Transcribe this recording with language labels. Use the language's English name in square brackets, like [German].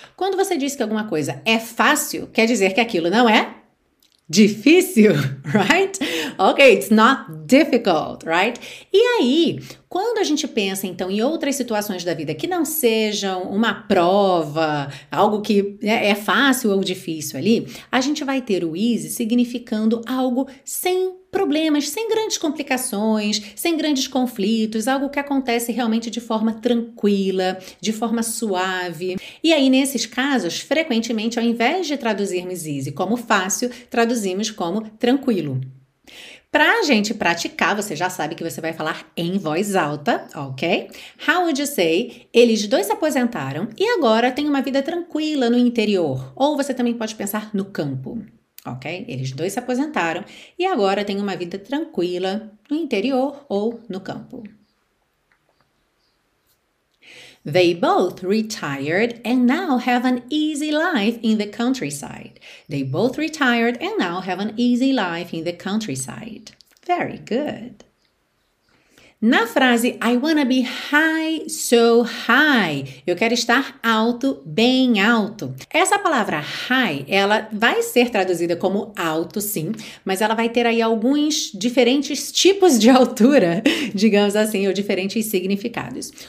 [Portuguese] Quando você diz que alguma coisa é fácil, quer dizer que aquilo não é difícil, right? [English] Ok, it's not difficult, right? [Portuguese] E aí, quando a gente pensa, então, em outras situações da vida que não sejam uma prova, algo que é fácil ou difícil ali, a gente vai ter o easy significando algo sem problemas, sem grandes complicações, sem grandes conflitos, algo que acontece realmente de forma tranquila, de forma suave. E aí, nesses casos, frequentemente, ao invés de traduzirmos easy como fácil, traduzimos como tranquilo. Pra gente praticar, você já sabe que você vai falar em voz alta, ok? [English] How would you say, [Portuguese] eles dois se aposentaram e agora têm uma vida tranquila no interior? Ou você também pode pensar no campo, ok? Eles dois se aposentaram e agora têm uma vida tranquila no interior ou no campo. [English] They both retired and now have an easy life in the countryside. They both retired and now have an easy life in the countryside. Very good. [Portuguese] Na frase [English] I wanna be high, so high, [Portuguese] eu quero estar alto, bem alto. Essa palavra high, ela vai ser traduzida como alto, sim, mas ela vai ter aí alguns diferentes tipos de altura, digamos assim, ou diferentes significados.